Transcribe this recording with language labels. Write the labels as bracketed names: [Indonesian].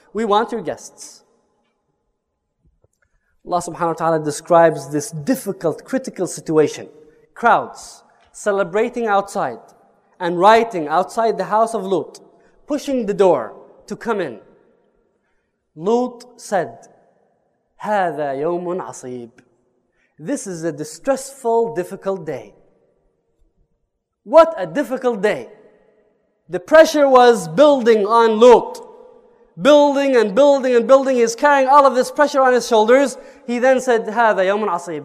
[English] We want your guests. Allah subhanahu wa ta'ala describes this difficult, critical situation. Crowds celebrating outside and rioting outside the house of Lut, pushing the door to come in. Lut said, [Arabic] هَذَا يَوْمٌ عَصِيبٌ. [English] This is a distressful, difficult day. What a difficult day. The pressure was building on Lut. Building and building and building. He's carrying all of this pressure on his shoulders. He then said, [Arabic] هَذَا يَوْمٌ عَصِيبٌ.